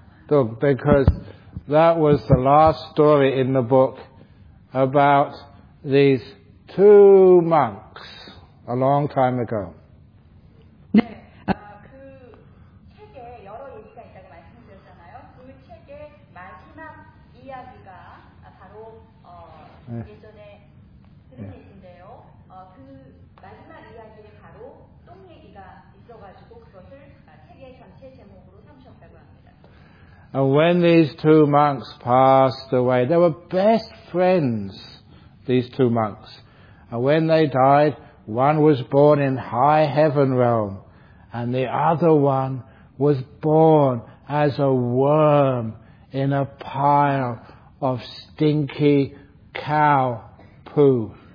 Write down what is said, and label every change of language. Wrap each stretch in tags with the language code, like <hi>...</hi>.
<en>뚱, because that was the last story in the book about these two monks a long time ago.</en> <ko>네, 그 책에 여러 얘기가 있다고 말씀드렸잖아요. 그 책의 마지막 이야기가 바로 예전에 들으셨는데요. 그 마지막 이야기에 바로 똥 얘기가 있어가지고 그것을 책의 전체 제목으로 삼으셨다고 합니다.</ko> <en>And when these two monks passed away, they were best friends, these two monks. And when they died, one was born in high heaven realm, and the other one was born as a worm in a pile of stinky cow poo.</en>